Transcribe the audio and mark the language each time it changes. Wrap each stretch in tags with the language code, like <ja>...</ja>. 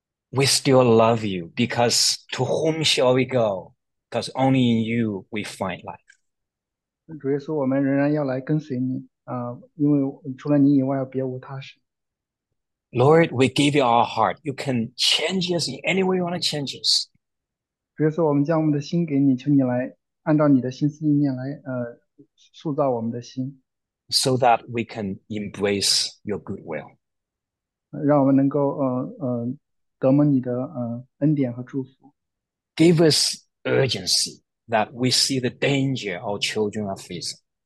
<en>We still love you because to whom shall we go? Because only in you we find life.</en> <zh>主耶稣，我们仍然要来跟随你，因为除了你以外，别无他神。</zh> <en>Lord, we give you our heart. You can change us in any way you want to change us.</en> <zh>主耶稣，我们将我们的心给你，求你来按照你的心思意念来塑造我们的心。</zh> <en>So that we can embrace your goodwill.</en> <zh>让我们能够得蒙你的恩典和祝福。</zh> <en>Give us urgency that we see the danger our children are facing.</en>